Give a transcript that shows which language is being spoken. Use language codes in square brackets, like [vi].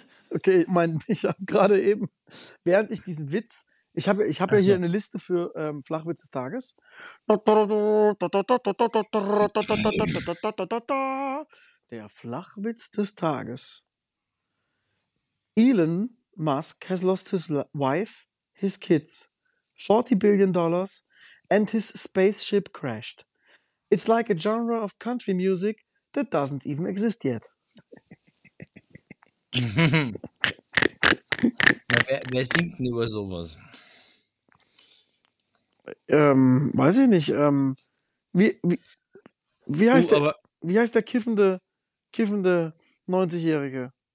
[de] Okay, ich habe gerade eben, während ich diesen Witz, ich hab ja hier eine Liste für Flachwitz des Tages. Der Flachwitz des Tages. [en] Elon Musk has lost his wife, his kids, $40 billion and his spaceship crashed. It's like a genre of country music that doesn't even exist yet. [de] Wer singt denn über sowas? Weiß ich nicht. Wie heißt der kiffende 90-Jährige?